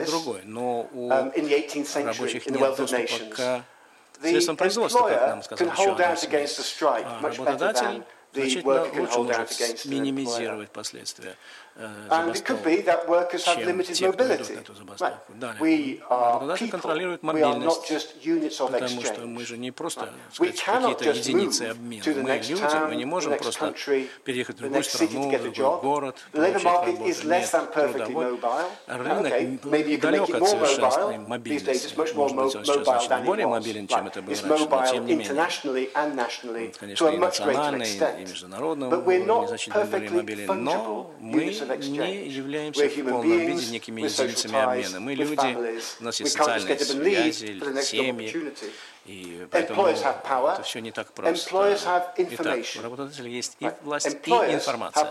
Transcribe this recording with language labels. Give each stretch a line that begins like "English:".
Russian: в другой, но у рабочих нет доступа к средствам производства, как нам сказал ученый. А работодатель значительно лучше может минимизировать последствия.
English: And it could be that workers have limited mobility. We are people. We are not just units of exchange. Right.
Russian: Мы же не просто,
English: we cannot just move to the next town, the next country, the next city to get a job. The labor market is less than perfectly mobile. Okay, maybe you can make it more mobile. These days it's much more mobile than it was. It's mobile internationally and nationally to a much greater extent. But we're not perfectly fungible.
Russian: Не являемся в полном виде некими единицами обмена. Мы люди, у нас есть социальные связи, семьи, и поэтому это все не так просто. Итак, у работодателя есть и власть, и информация.